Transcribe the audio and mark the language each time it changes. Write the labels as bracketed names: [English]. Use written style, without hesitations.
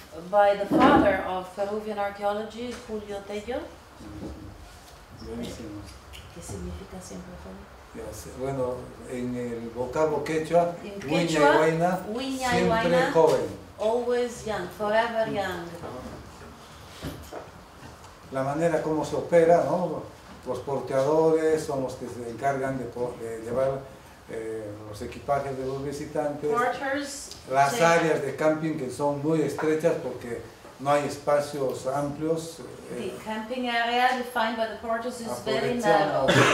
[English] by the father of Peruvian archaeology, Julio Tello. [Spanish] Buenísimo. ¿Qué significa siempre, Julio? Bueno, en el vocablo quechua, huiña y huayna, siempre joven. [English] Always young, forever young. [Spanish] La manera como se opera, ¿no? Los porteadores son los que se encargan de llevar los equipajes de los visitantes. [English] Porters, [Spanish] las áreas de camping que son muy estrechas porque no hay espacios amplios. [English] The camping area defined by the porters is very narrow.